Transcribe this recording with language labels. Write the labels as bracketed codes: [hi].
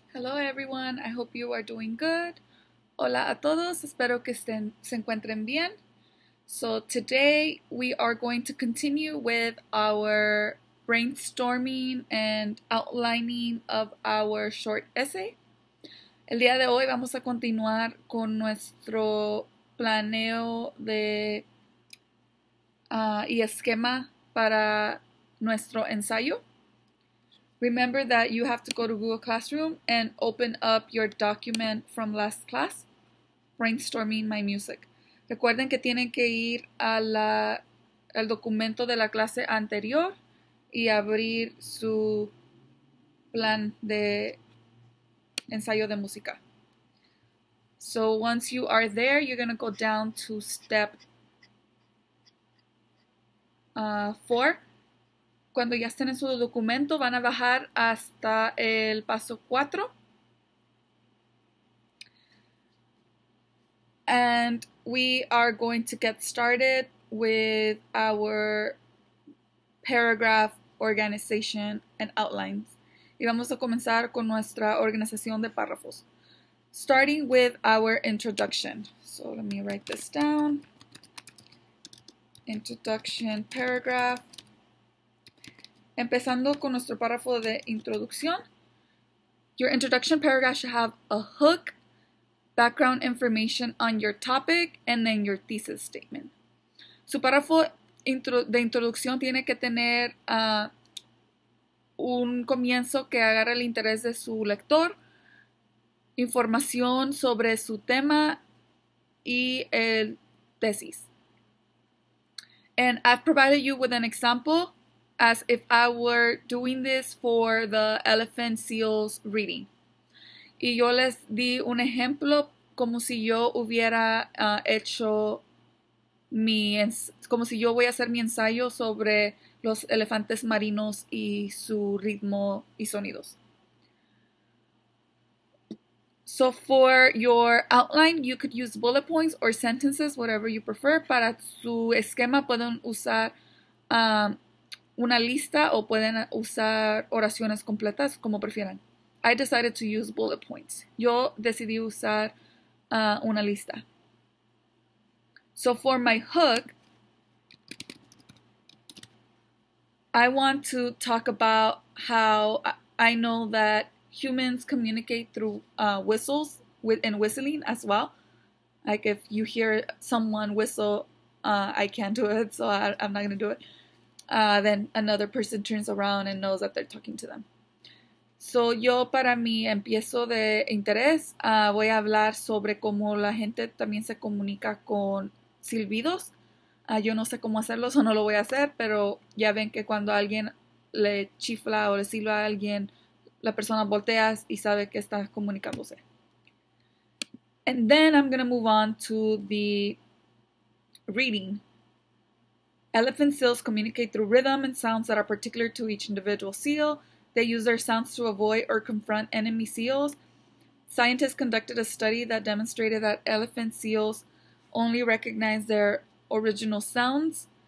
[en] Hello everyone, I hope you are doing good. [es] Hola a todos, espero que estén se encuentren bien. [en] So today we are going to continue with our brainstorming and outlining of our short essay. [es] El día de hoy vamos a continuar con nuestro planeo de y esquema para nuestro ensayo. [en] Remember that you have to go to Google Classroom and open up your document from last class, brainstorming my music. [es] Recuerden que tienen que ir a la el documento de la clase anterior y abrir su plan de ensayo de música. [en] So once you are there, you're going to go down to step 4. [es] Cuando ya estén en su documento, van a bajar hasta el paso 4. [en] And we are going to get started with our paragraph organization and outlines. [es] Y vamos a comenzar con nuestra organización de párrafos. [en] Starting with our introduction. So let me write this down. Introduction paragraph. [es] Empezando con nuestro párrafo de introducción, [en] your introduction paragraph should have a hook, background information on your topic, and then your thesis statement. [es] Su párrafo de introducción tiene que tener un comienzo que agarre el interés de su lector, información sobre su tema y el tesis. [en] And I've provided you with an example as if I were doing this for the elephant seals reading. [es] Y yo les di un ejemplo como si yo hubiera hecho mi, como si yo voy a hacer mi ensayo sobre los elefantes marinos y su ritmo y sonidos. [en] So for your outline, you could use bullet points or sentences, whatever you prefer. [es] Para su esquema pueden usar una lista o pueden usar oraciones completas, como prefieran. [en] I decided to use bullet points. [es] Yo decidí usar una lista. [en] So for my hook, I want to talk about how I know that humans communicate through whistles and whistling as well. Like if you hear someone whistle, I can't do it, so I'm not going to do it. Then another person turns around and knows that they're talking to them. [es] So yo para mi empiezo de interés voy a hablar sobre cómo la gente también se comunica con silbidos. Yo no sé cómo hacerlo, so no lo voy a hacer, pero ya ven que cuando alguien le chifla o le silba a alguien, la persona voltea y sabe que está comunicándose. [en] And then I'm going to move on to the reading. Elephant seals communicate through rhythm and sounds that are particular to each individual seal. They use their sounds to avoid or confront enemy seals. Scientists conducted a study that demonstrated that elephant seals only recognize their original sounds.